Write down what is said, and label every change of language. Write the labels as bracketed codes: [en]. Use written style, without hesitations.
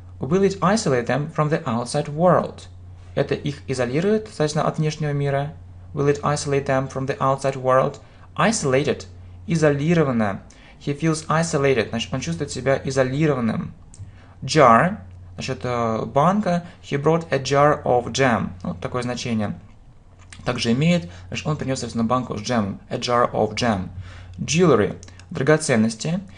[en] Will it isolate them from the outside world? [ru] Это их изолирует, соответственно, от внешнего мира. [en] Will it isolate them from the outside world? Isolated. Изолировано. He feels isolated. [ru] Значит, он чувствует себя изолированным. [en] Jar. Значит, банка, he brought a jar of jam. [ru] Вот такое значение. Также имеет, значит, он принес, собственно, банку с джемом. [en] A jar of jam. [ru] Jewelry. драгоценности.